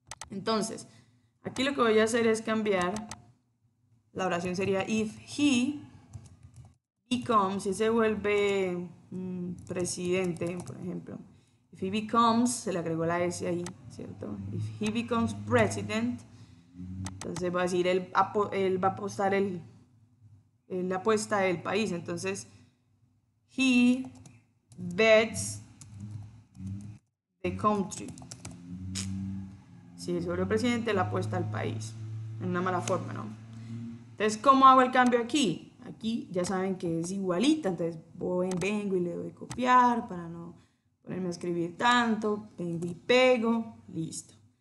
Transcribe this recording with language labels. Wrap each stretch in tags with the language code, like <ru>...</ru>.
<es>Entonces, aquí lo que voy a hacer es cambiar. La oración sería</es> <en>if he becomes,</en> <es>si se vuelve presidente, por ejemplo.</es> <en>If he becomes,</en> <es>se le agregó la S ahí, ¿cierto?</es> <en>If he becomes president,</en> <es>entonces va a decir, él va a apostar la apuesta del país.</es> <en>Entonces, he bets the country.</en> <es>Si se vuelve presidente, la apuesta al país. En una mala forma, ¿no? Entonces, ¿cómo hago el cambio aquí? Aquí ya saben que es igualita, entonces vengo y le doy copiar para no ponerme a escribir tanto, vengo y pego, listo.</es>